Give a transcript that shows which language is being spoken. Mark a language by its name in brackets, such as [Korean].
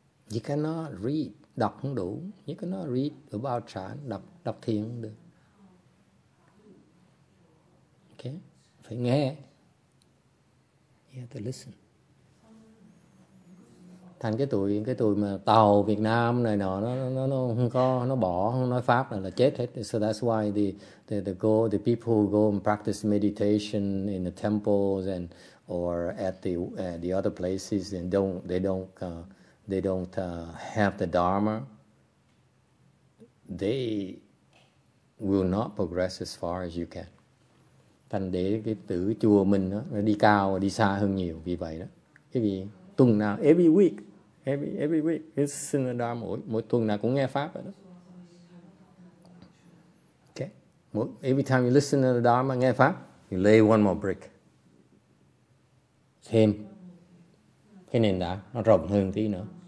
[English] You cannot read, [Vietnamese] đọc không đủ. [English] You cannot read about chan, [Vietnamese] đọc thiền không được. [English] Okay? [Vietnamese] Phải nghe. [English] You have to listen. [Vietnamese] Thành cái tụi mà tàu Việt Nam này nọ, nó không có, nó bỏ, không nói Pháp là chết hết. [English] So that's why the people who go and practice meditation in the temples and or at the other places and they don't have the Dharma, they will not progress as far as you can. [Vietnamese] Thành để cái tử chùa mình đó, nó đi cao và đi xa hơn nhiều vì vậy đó. Cái gì tuần nào [English] every week it's in the Dharma, [Vietnamese] mỗi tuần nào cũng nghe Pháp đó. [English] Okay, every time you listen to the Dharma, [Vietnamese] nghe Pháp, [English] you lay one more brick. [Vietnamese] Thêm cái nền đã nó rộng hơn tí nữa.